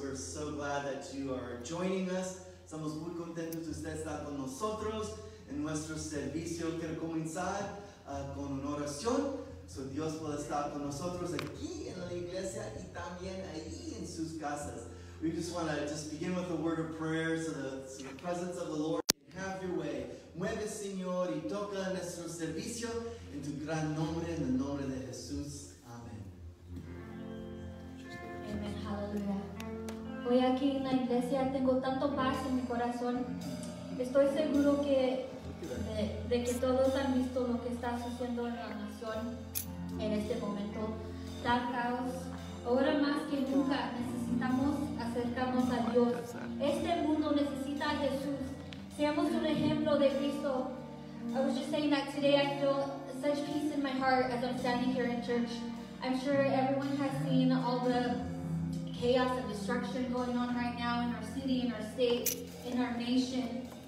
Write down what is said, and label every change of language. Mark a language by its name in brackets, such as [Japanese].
[English] We're so glad that you are joining us. [Spanish] Estamos muy contentos de usted estar con nosotros en nuestro servicio. Quiero comenzar con una oración. So Dios puede estar con nosotros aquí en la iglesia y también ahí en sus casas. [English] We just want to just begin with a word of prayer so the presence of the Lord can have your way. [Spanish] Mueve, Señor, y toca nuestro servicio en tu gran nombre, en el nombre de Jesús. Amén. Amén. Aleluya. Hoy aquí en la iglesia tengo tanto paz en mi corazón. Estoy seguro que de que todos han visto lo que está sucediendo en la nación en este momento. Tal caos. Ahora más que nunca necesitamos acercarnos a Dios. Este mundo necesita a Jesús. Seamos un ejemplo de Cristo. [English] I was just saying that today I feel such peace in my heart as I'm standing here in church. I'm sure everyone has seen all the chaos and destruction going on right now in our city, in our state, in our nation.